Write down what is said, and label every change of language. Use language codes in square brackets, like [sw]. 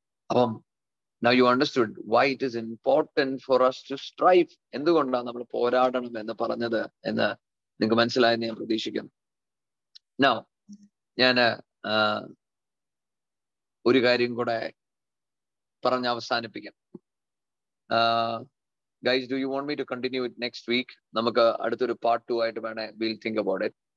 [en] അപ്പം now you understood why it is important for us to strive. [ml] എന്തുകൊണ്ടാണ് നമ്മൾ പോരാടണം എന്ന് പറഞ്ഞത് എന്ന് നിങ്ങൾക്ക് മനസ്സിലായെന്ന് ഞാൻ പ്രതീക്ഷിക്കുന്നു. നൗ ഞാൻ ഒരു കാര്യം കൂടെ പറഞ്ഞ് അവസാനിപ്പിക്കാം. [en] Guys, do you want me to continue it next week? [ml] നമുക്ക് അടുത്തൊരു പാർട്ട് 2 ആയിട്ട് വേണേ [en] we'll think about it.